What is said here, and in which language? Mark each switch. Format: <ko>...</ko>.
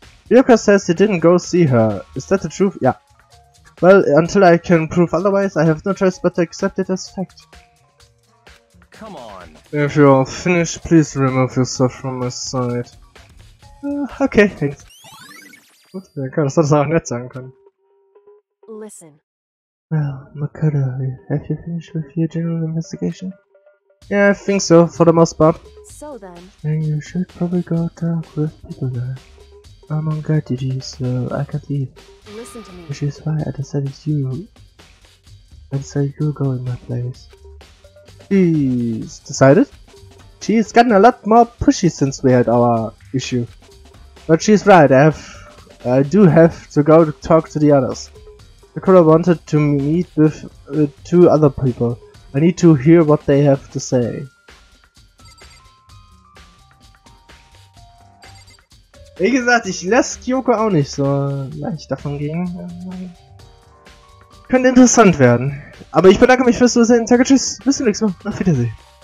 <en>Ryoka says he didn't go see her. Is that the truth? Yeah. Well, until I can prove otherwise, I have no choice but to accept it as fact. come on. If you are finished, please remove yourself from my sight. Okay, thanks.</en> <de>Gut, Makoto, das hättest du auch nett sagen können.</de> <en>Listen. Well, Makoto, have you finished with your general investigation? Yeah, I think so, for the most part. So then. Then you should probably go talk with people there. I'm on guard duty, so I can't leave. Listen to me. Which is why I decided you go in my place. She's decided? She's gotten a lot more pushy since we had our issue. But she's right, I do have to go to talk to the others. Makoto wanted to meet with two other people. I need to hear what they have to say.</en> <de>Wie gesagt, ich lasse Kyoko auch nicht so leicht davon gehen. Könnte interessant werden. Aber ich bedanke mich fürs Zusehen. Sag tschüss. Bis zum nächsten Mal. Auf Wiedersehen.</de>